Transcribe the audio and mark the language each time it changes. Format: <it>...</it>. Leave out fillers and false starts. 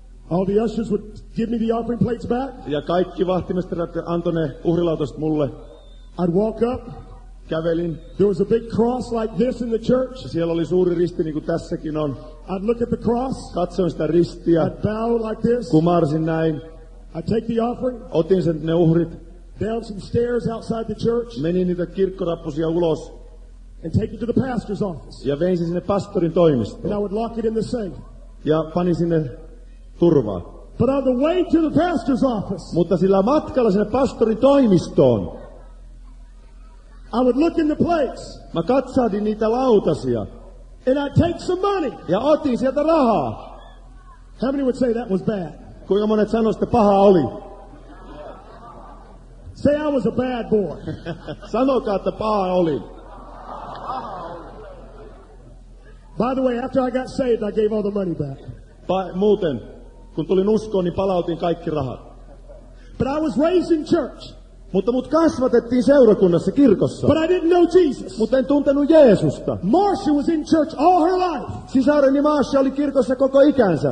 <en>All the ushers would give me the offering plates back.</en> <fi>Ja kaikki vahtimestarat antoi ne uhrilautaset mulle.</fi> <en>I'd walk up.</en> <fi>Kävelin.</fi> <en>There was a big cross like this in the church.</en> <fi>Siellä oli suuri risti niin kuin tässäkin on.</fi> <en>I'd look at the cross.</en> <fi>Katsoin sitä ristiä.</fi> <en>I'd bow like this.</en> <fi>Kumarsin näin.</fi> <en>I'd take the offering.</en> <fi>Otin sen ne uhrit.</fi> <en>Down some stairs outside the church.</en> <fi>Menin niitä kirkkorappusia ulos.</fi> <en>And take it to the pastor's office.</en> <fi>Ja vein sen sinne pastorin toimistoon.</fi> <en>And I would lock it in the safe.</en> <fi>Ja panin sinne turvaa.</fi> <en>But on the way to the pastor's office.</en> <fi>Mutta sillä matkalla sinne pastorin toimistoon.</fi> <en>I would look in the plates.</en> <fi>Mä katsahdin niitä lautasia.</fi> <en>And I'd take some money.</en> <fi>Ja otin sieltä rahaa.</fi> <en>How many would say that was bad?</en> <fi>Kuinka monet sanois, että paha oli?</fi> <en>Say I was a bad boy.</en> <fi>Sanokaa, että paha oli.</fi> <en>By the way, after I got saved, I gave all the money back.</en> <fi>Muuten, kun tulin uskoon, niin palautin kaikki rahat.</fi> <en>But I was raised in church.</en> <fi>Mutta mut kasvatettiin seurakunnassa, kirkossa.</fi> <en>But I didn't know Jesus.</en> <fi>Mutta en tuntenut Jeesusta.</fi> <en>Marcia was in church all her life.</en> <fi>Sisareni Marcia oli kirkossa koko ikänsä.</fi>